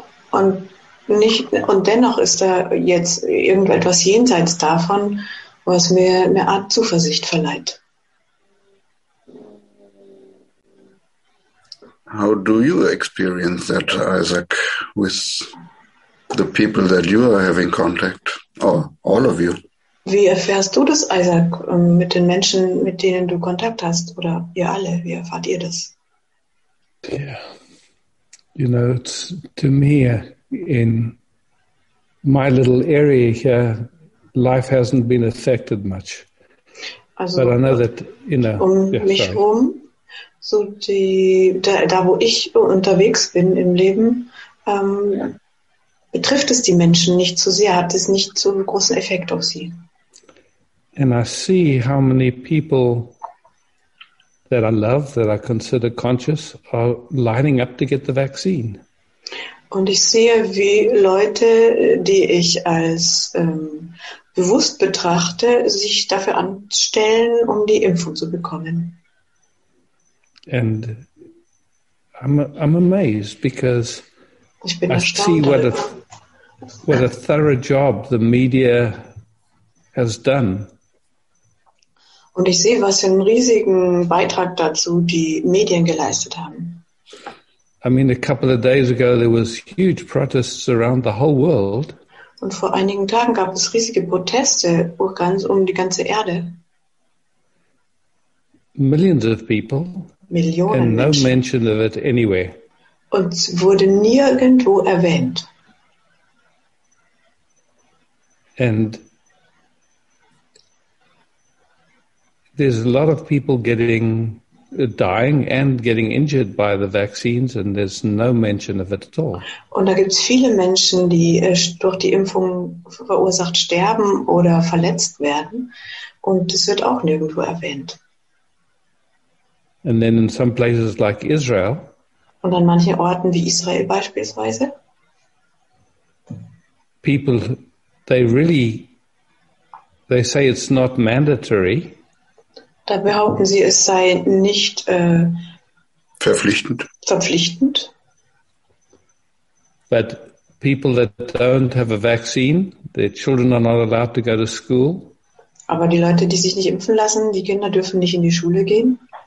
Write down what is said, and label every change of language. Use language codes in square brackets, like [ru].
[de] Und dennoch ist da jetzt irgendetwas jenseits davon, was mir eine Art Zuversicht verleiht. [en] How do you experience that, Isaac, with the people that you are having contact, or all of you? [de] Wie erfährst du das, Isaac, mit den Menschen, mit denen du Kontakt hast? Oder ihr alle, wie erfahrt ihr das? [en] Yeah. You know, to me, in my little area here, life hasn't been affected much. Also, but I know that, you know, [de] da wo ich unterwegs bin im Leben, betrifft es die Menschen nicht so sehr, hat es nicht so einen großen Effekt auf sie. [en] And I see how many people that I love, that I consider conscious, are lining up to get the vaccine. [de] Und ich sehe, wie Leute, die ich als bewusst betrachte, sich dafür anstellen, um die Impfung zu bekommen. [en] And I'm amazed because [de] ich bin erstaunt, [en] I see what a thorough job the media has done. [de] Und ich sehe, was für einen riesigen Beitrag dazu die Medien geleistet haben. [en] I mean, a couple of days ago there was huge protests around the whole world. [de] Und vor einigen Tagen gab es riesige Proteste ganz um die ganze Erde. [en] Millions of people. [de] Millionen [en] and no [de] Menschen. [en] Mention of it anywhere. [de] Und es wurde nirgendwo erwähnt. [en] And there's a lot of people getting dying and getting injured by the vaccines, and there's no mention of it at all. [de] Und da gibt's viele Menschen, die durch die Impfung verursacht sterben oder verletzt werden, und es wird auch nirgendwo erwähnt. [en] And then in some places like Israel. [de] Und an manchen Orten wie Israel beispielsweise. [en] People, they say it's not mandatory. [de] Da behaupten sie, es sei nicht verpflichtend. [en] But people that don't have a vaccine, their children are not allowed to go to school. [de] Aber die Leute, die sich nicht impfen lassen, die Kinder dürfen nicht in die Schule gehen.